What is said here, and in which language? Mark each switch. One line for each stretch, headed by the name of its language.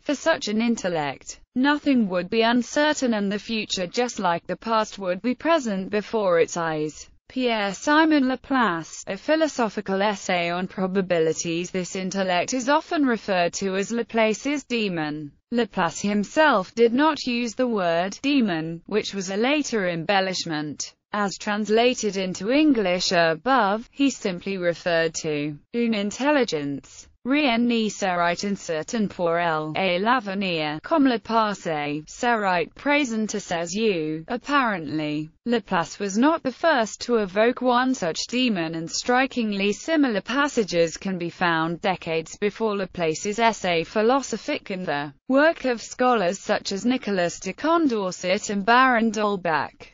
English: For such an intellect, nothing would be uncertain and the future, just like the past, would be present before its eyes. Pierre-Simon Laplace, a philosophical essay on probabilities. This intellect is often referred to as Laplace's demon. Laplace himself did not use the word demon, which was a later embellishment. As translated into English above, he simply referred to
French: une intelligence, rien ni serait incertain pour elle, à l'avenir, comme le passé, serait présent à ses yeux.
English: Apparently, Laplace was not the first to evoke one such demon, and strikingly similar passages can be found decades before Laplace's essay philosophique in the work of scholars such as Nicolas de Condorcet and Baron d'Holbach.